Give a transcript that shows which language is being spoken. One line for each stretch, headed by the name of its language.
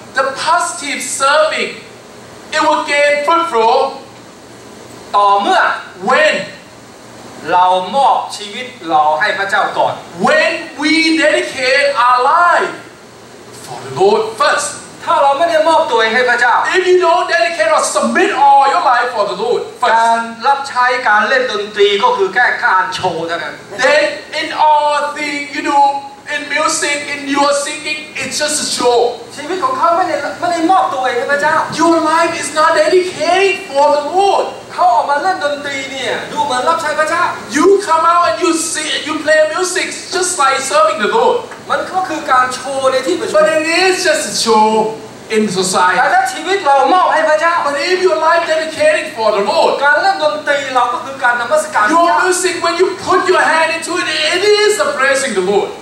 English: the positive serving it will gain fruitful
Thai: ต่อเมื่อ
English: when
Thai: เรามอบชีวิตเราให้พระเจ้าก่อน
English: when we dedicate our lifeLord first
Thai: ถ้าเราไม่ได้มอบตัวเองให้พระเจ้า
English: If you don't dedicate or submit all your life for the Lord first
Thai: การรับใช้การเล่นดนตรีก็คือแค่การโชว์เท่านั้น
English: Then in all the you do in music in your singing it's just a show
Thai: ชีวิตของเขาไม่ได้มอบตัวเองให้พระเจ้า
English: Your life is not dedicated for the Lord
Thai: เขาออกมาเล่นดนตรีเนี่ยดูเหมือนรับใช้พระเจ้า
English: You come out and you sing you play music just like serving the Lord
Thai: มันก็คือการโชว์ในที่ประชุ ม
English: But it's just a show in society
Thai: แต่ถ้าชีวิตเรามอบให้พระเจ้า
English: But if your life dedicated for the Lord
Thai: การเล่นดนตรีเราก็คือการนมัสการ
English: Your music when you put your hand into it it is a praising the Lord